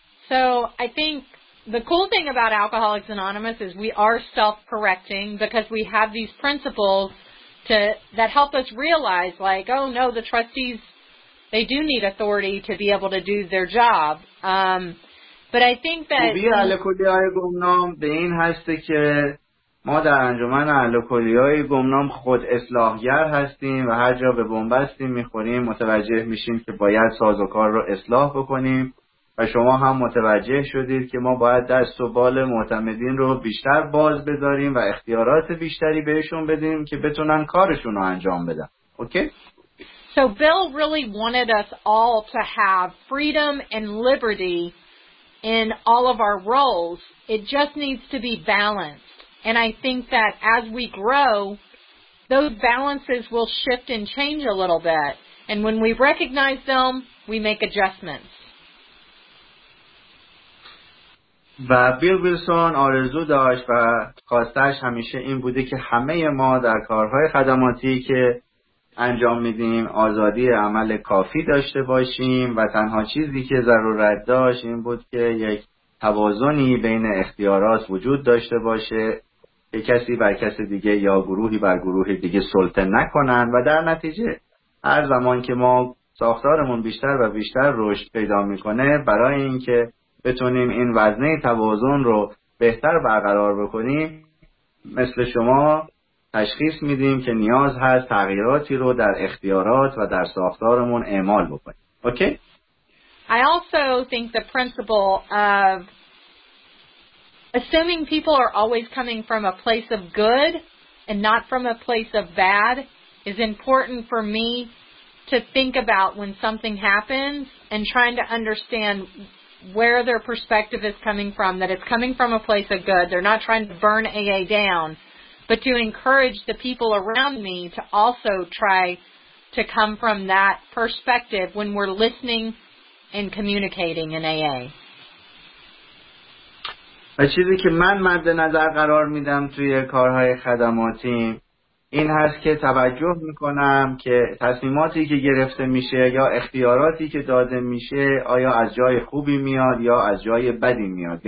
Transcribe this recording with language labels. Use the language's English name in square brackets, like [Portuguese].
[English] So I think the cool thing about Alcoholics Anonymous is we are self-correcting because we have these principles that help us realize, like, oh, no, the trustees, they do need authority to be able to do their job. But I think that... [Persian] خوبی الکلی های گمنام به این هسته که ما در انجمن الکلی های گمنام خود اصلاحگر هستیم و هر جا به بنبستیم میخوریم متوجه میشیم که باید سازوکار رو اصلاح بکنیم. و شما هم متوجه شدید که ما باید دست و بال معتمدین رو بیشتر باز بذاریم و اختیارات بیشتری بهشون بدیم که بتونن کارشون رو انجام بدن. اوکی؟ [English] So Bill really wanted us all to have freedom and liberty in all of our roles. It just needs to be balanced. And I think that as we grow, those balances will shift and change a little bit. And when we recognize them, we make adjustments. [Persian] و بیل ویلسون آرزو داشت و خواستش همیشه این بوده که همه ما در کارهای خدماتی که انجام میدیم، آزادی عمل کافی داشته باشیم و تنها چیزی که ضرورت داشت این بود که یک توازنی بین اختیارات وجود داشته باشه، یک کسی بر کس دیگه یا گروهی بر گروه دیگه سلطه نکنن. و در نتیجه هر زمان که ما ساختارمون بیشتر و بیشتر رشد پیدا میکنه، برای اینکه بتونیم این وزنه توازن رو بهتر برقرار بکنیم، مثل شما تشخیص میدیم که نیاز هست تغییراتی رو در اختیارات و در ساختارمون اعمال بکنیم. اوکی؟ [English] I also think the principle of assuming people are always coming from a place of good and not from a place of bad is important for me to think about when something happens and trying to understand where their perspective is coming from, that it's coming from a place of good. They're not trying to burn AA down, but to encourage the people around me to also try to come from that perspective when we're listening and communicating in AA. [Persian] و چیزی که من مد نظر قرار میدم توی کارهای خدماتیم این هست که توجه میکنم که تصمیماتی که گرفته میشه یا اختیاراتی که داده میشه آیا از جای خوبی میاد یا از جای بدی میاد.